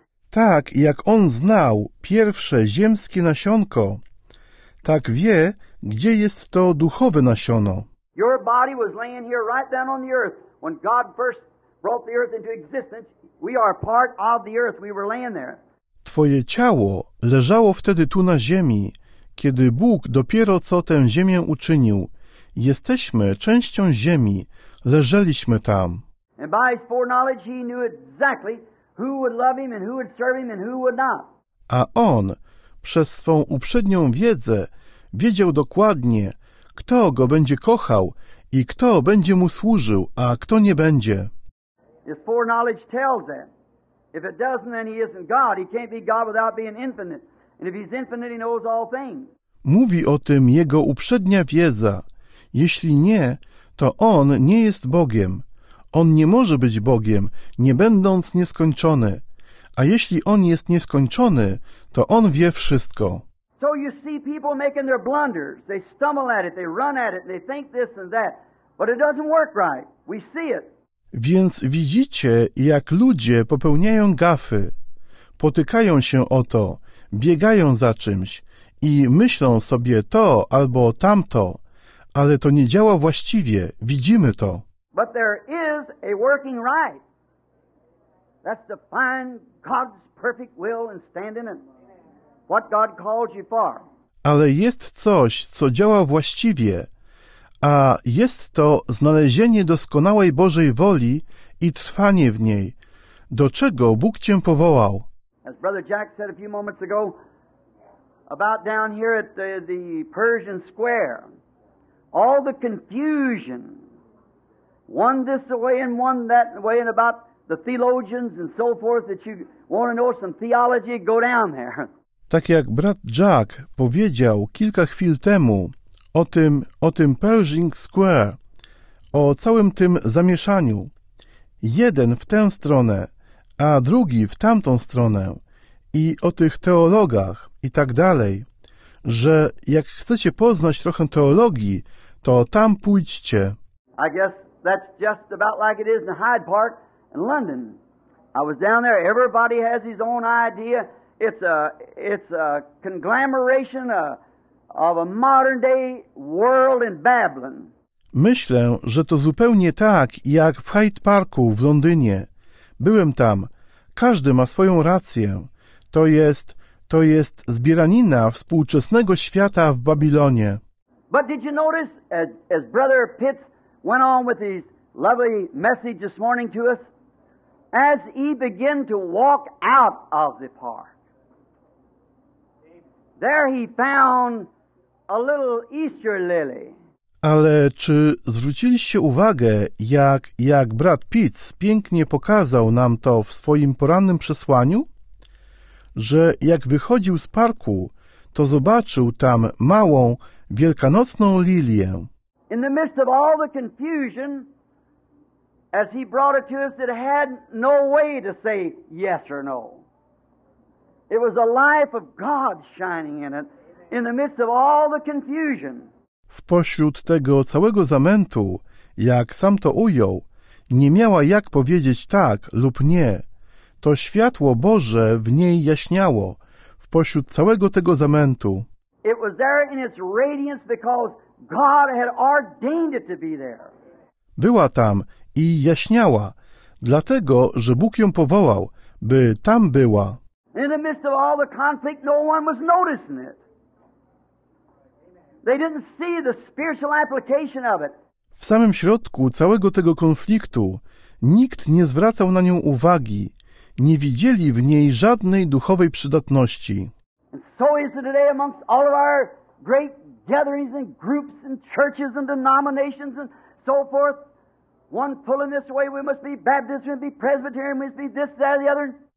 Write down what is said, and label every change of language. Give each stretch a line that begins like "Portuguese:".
Polish: Tak jak on znał pierwsze ziemskie nasionko, tak wie, gdzie jest to duchowe nasiono.
English: Your body was laying here right down on the earth when God first brought the earth into existence. We are part of the earth. We were laying there.
Polish: Twoje ciało leżało wtedy tu na ziemi, kiedy Bóg dopiero co tę ziemię uczynił. Jesteśmy częścią ziemi. Leżeliśmy tam.
English: And by his foreknowledge he knew exactly who would love him and who would serve him and who would not.
Polish: A on przez swą uprzednią wiedzę wiedział dokładnie, kto go będzie kochał i kto będzie mu służył, a kto nie będzie.
English: His foreknowledge tells them. If it doesn't, then he isn't God. He can't be God without being infinite. And if he's infinite, he knows all things.
Polish: Mówi o tym jego uprzednia wiedza. Jeśli nie, to on nie jest Bogiem. On nie może być Bogiem, nie będąc nieskończony. A jeśli on jest nieskończony, to on wie wszystko.
English: So you see people making their blunders. They stumble at it, they run at it, they think this and that. But it doesn't work right. We see it.
Polish: Więc widzicie, jak ludzie popełniają gafy. Potykają się o to, biegają za czymś i myślą sobie to albo tamto, ale to nie działa właściwie. Widzimy to.
English: But there is a working right. That's to find God's perfect will and stand in it. What God calls you for.
Polish: Ale jest coś, co działa właściwie, a jest to znalezienie doskonałej Bożej woli i trwanie w niej, do czego Bóg cię powołał.
English: As Brother Jack said a few moments ago, about down here at the Pershing Square, all the confusion, one this way and one that way, and about the theologians and so forth, that you want to know some theology, go down there.
Polish: Tak jak brat Jack powiedział kilka chwil temu o tym Pershing Square, o całym tym zamieszaniu. Jeden w tę stronę, a drugi w tamtą stronę i o tych teologach i tak dalej, że jak chcecie poznać trochę teologii, to tam pójdźcie.
English: I guess that's just about like it is in Hyde Park in London. I was down there, everybody has his own idea. It's a conglomeration of a modern day world in Babylon.
Polish: Myślę, że to zupełnie tak jak w Hyde Parku w Londynie. Byłem tam. Każdy ma swoją rację. To jest zbieranina współczesnego świata w Babilonie.
English: But did you notice as Brother Pitts went on with his lovely message this morning to us, as he began to walk out of the park? There he found a little Easter lily.
Polish: Ale czy zwróciliście uwagę, jak brat Pitts pięknie pokazał nam to w swoim porannym przesłaniu? Że jak wychodził z parku, to zobaczył tam małą, wielkanocną lilię.
English: In the midst of all the confusion, as he brought it to us, it had no way to say yes or no. It was the life of God shining in it, in the midst of all the confusion.
Polish: W pośród tego całego zamętu, jak sam to ujął, nie miała jak powiedzieć tak lub nie. To światło Boże w niej jaśniało, w pośród całego tego zamętu.
English: It was there in its radiance because God had ordained it to be there.
Polish: Była tam i jaśniała, dlatego, że Bóg ją powołał, by tam była.
English: In the midst of all the conflict, no one was noticing it. They didn't see the spiritual application of it.
Polish: W samym środku całego tego konfliktu nikt nie zwracał na nią uwagi, nie widzieli w niej żadnej duchowej przydatności.
English: And so is it today amongst all of our great gatherings and groups and churches and denominations and so forth. One pulling this way, we must be Baptist, we must be Presbyterian, we must be this, that, or the other.